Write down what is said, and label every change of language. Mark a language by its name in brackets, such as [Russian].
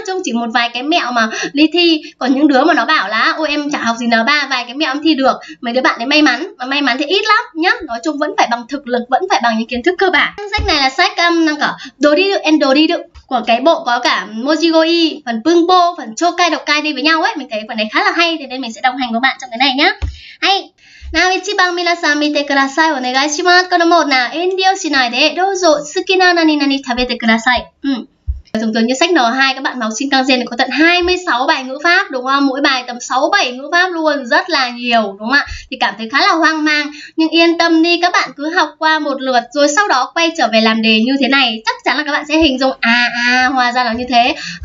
[Vietnamese] Chứ chỉ một vài cái mẹo mà đi thi, còn những đứa mà nó bảo là ôi em chả học gì N3, vài cái mẹo em thi được, mấy đứa bạn ấy may mắn, mà may mắn thì ít lắm nhá. Nói chung vẫn phải bằng thực lực, vẫn phải bằng những kiến thức cơ bản. Sách này là sách năng cả đồ đi được and đồ đi được của cái bộ có cả Mojigoi, phần Pungpo, phần Chokai Dokai đi với nhau ấy. Mình thấy phần này khá là hay, thế nên mình sẽ đồng hành với bạn trong cái này nhá. Hay nào, [Japanese] 1 番皆さん見てください。お願いします。このもうな、遠慮しないで、どうぞ好きな何々食べてください。 [Vietnamese] Thường thường như sách N2 các bạn học sinh tăng dên có tận 26 bài ngữ pháp đúng không? Mỗi bài tầm 6-7 ngữ pháp luôn, rất là nhiều đúng không ạ? Thì cảm thấy khá là hoang mang. Nhưng yên tâm đi, các bạn cứ học qua một lượt rồi sau đó quay trở về làm đề như thế này, chắc chắn là các bạn sẽ hình dung hóa ra là như thế.